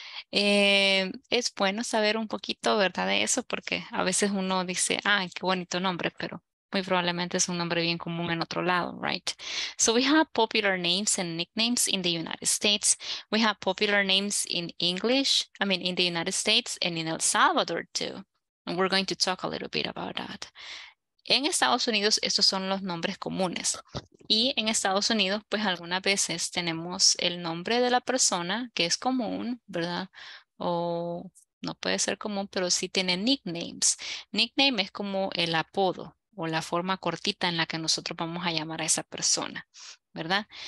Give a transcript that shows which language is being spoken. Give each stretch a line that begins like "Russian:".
Spanish: Es bueno saber un poquito, ¿verdad?, de eso, porque a veces uno dice, ah, qué bonito nombre, pero muy probablemente es un nombre bien común en otro lado, right?
English: So we have popular names and nicknames in the United States. We have popular names in English, I mean, in the United States and in El Salvador too. And we're going to talk a little bit about that.
Spanish: En Estados Unidos, estos son los nombres comunes. Y en Estados Unidos, pues algunas veces tenemos el nombre de la persona que es común, ¿verdad? O no puede ser común, pero sí tiene nicknames. Nickname es como el apodo o la forma cortita en la que nosotros vamos a llamar a esa persona, ¿verdad?